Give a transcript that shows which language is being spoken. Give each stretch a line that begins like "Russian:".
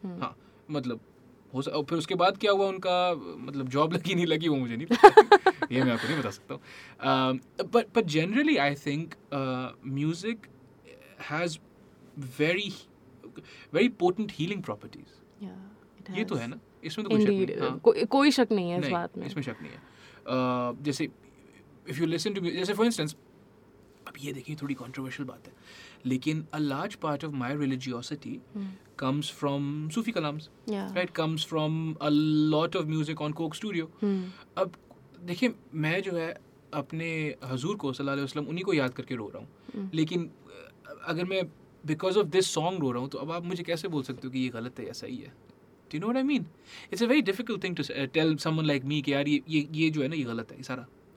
Hindi: हाँ, मतलब फिर उसके बाद क्या हुआ उनका, मतलब जॉब लगी नहीं लगी वो मुझे नहीं पता, ये मैं आपको नहीं बता सकता हूँ.
English: But generally I think music has very very potent healing properties. yeah, it has.
Hindi: ये तो है ना, इसमें तो कोई शक नहीं. कोई शक नहीं है इस बात में. इसमें शक नहीं है.
English: जैसे if you listen to me, जैसे for instance,
Hindi: अब ये देखिए थोड़ी controversial बात है, लेकिन
English: a large part of my religiosity comes from Sufi kalams. yeah. right, comes from a lot of music on Coke Studio.
Hindi: अब देखिए मैं जो है अपने हजूर को सल्लल्लाहु अलैहि वसल्लम उन्हीं को याद करके रो रहा हूँ. लेकिन अगर मैं
English: because of this song
Hindi: रो रहा हूँ तो अब आप मुझे कैसे बोल सकते हो कि ये गलत है या सही है.
English: Do you know what I mean? It's a very difficult thing to tell someone like me
Hindi: कि यार ये जो है ना ये गलत है सारा.